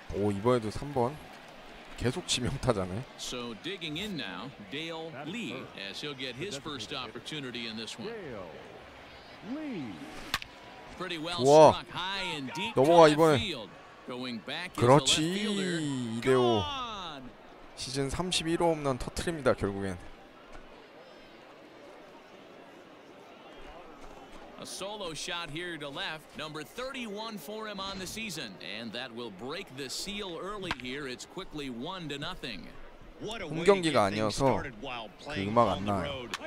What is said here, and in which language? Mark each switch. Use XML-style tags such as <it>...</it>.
<ko>오, 이번에도 3번. 계속 치명타잖아요.</ko> <en>So digging in now, Dale Lee, as he'll get his first opportunity in this one. Pretty well struck high and deep to left field. Going back to left fielder. Gone.</en> <ko>시즌 31호 홈런 터트립니다. 결국엔.</ko> <en>A solo shot here to left, number 31 for him on the season, and that will break the seal early here. It's quickly 1-0. What a win!</en> <ko>경기가 아니어서 그 음악 안 나요.</ko>